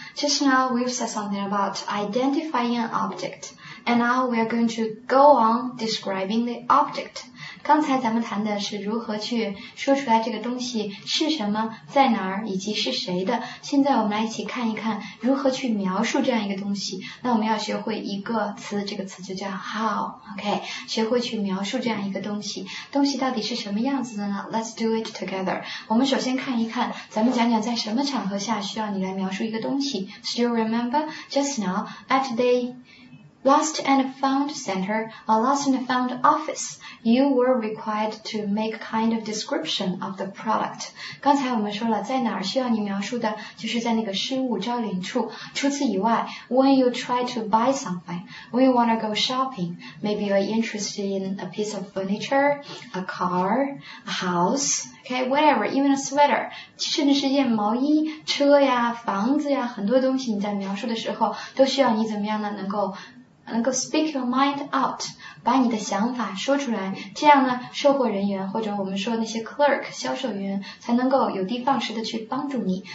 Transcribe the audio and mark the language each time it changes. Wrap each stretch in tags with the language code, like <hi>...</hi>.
<en>Just now, we've said something about identifying an object. And now, we're going to go on describing the object.</en> <zh>刚才咱们谈的是如何去说出来这个东西是什么，在哪儿，以及是谁的。现在我们来一起看一看如何去描述这样一个东西。那我们要学会一个词，这个词就叫 how, OK? 学会去描述这样一个东西。东西到底是什么样子的呢？</zh> <en>Let's do it together.</en> <zh>我们首先看一看，咱们讲讲在什么场合下需要你来描述一个东西。</zh> <en>Still remember? Just now, at the... Lost and found center, a lost and found office, you were required to make kind of description of the product.</en> <zh>刚才我们说了在哪儿需要你描述的就是在那个失物招领处。除此以外</zh> <en>when you try to buy something, when you want to go shopping, maybe you're interested in a piece of furniture, a car, a house, okay, whatever, even a sweater,</en> <zh>甚至是件毛衣、车呀、房子呀，很多东西你在描述的时候都需要你怎么样呢，能够</zh> <en>speak your mind out,</en> <zh>把你的想法说出来，这样呢，售货人员或者我们说那些 clerk, 销售员才能够有的放矢的去帮助你。</zh>